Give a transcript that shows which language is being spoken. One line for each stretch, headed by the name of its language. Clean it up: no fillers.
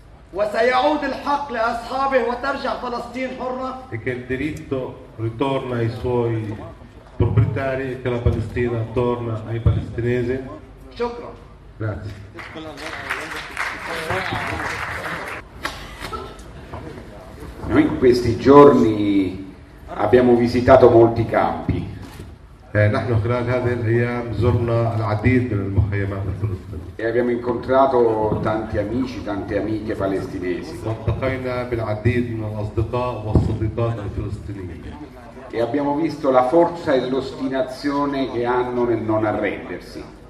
Italian: E che il diritto ritorna ai suoi proprietari e che la Palestina torna ai palestinesi? Grazie. Noi in questi giorni abbiamo visitato molti campi.
Arabic: نحن خلال هذه الأيام زرنا العديد من المخيمات الفلسطينية.
Italian: E abbiamo incontrato tanti amici, tante amiche palestinesi.
Arabic: والتقينا بالعديد من الأصدقاء والصديقات الفلسطينيين.
Italian: e abbiamo visto la forza e l'ostinazione che hanno nel non arrendersi.